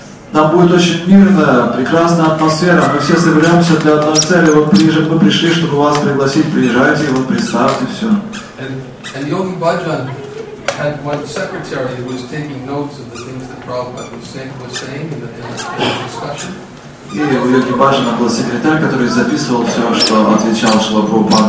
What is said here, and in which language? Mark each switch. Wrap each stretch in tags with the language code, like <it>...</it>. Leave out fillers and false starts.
<ru>Там будет очень мирная, прекрасная атмосфера, мы все собираемся для одной цели, вот приезжайте, мы пришли, чтобы вас пригласить, приезжайте, вот представьте все.</ru> <en>And Yogi Bhajan had one secretary who was taking notes of the things that Prabhupada was saying in the discussion.</en> <ru>И у Йоги Баджана был секретарь, который записывал все, что отвечал Шрила Прабхупада.</ru>